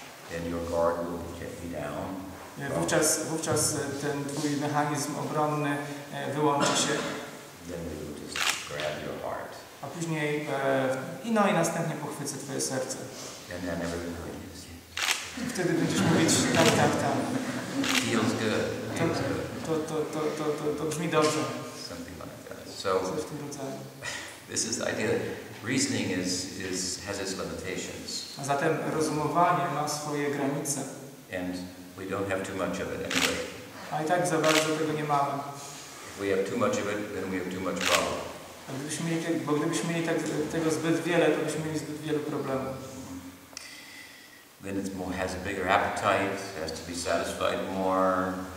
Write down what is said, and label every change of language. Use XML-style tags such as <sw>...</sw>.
<en>Then your guard will be kept down.</en> <pl>Wówczas ten twój mechanizm obronny wyłączy się.</pl> <en>Then they will just grab your heart.</en> <pl>A później, i następnie pochwycę twoje serce.</pl> <en>And then everything will be.</en> <pl>Wtedy będziesz mówić tak.</pl> <en>Feels good. Feels good.</en> <pl>To brzmi dobrze.</pl> <en>Something like that. So this is the idea. Reasoning has its limitations.</en> <pl>A zatem rozumowanie ma swoje granice.</pl> <en>And we don't have too much of it anyway.</en> <pl>A i tak za bardzo tego nie mamy.</pl> <en>If we have too much of it, then we have too much problem.</en> <pl>Gdybyśmy mieli tak tego zbyt wiele, to byśmy mieli zbyt wiele problemów.</pl> <en>Then it has a bigger appetite, has to be satisfied more.</en>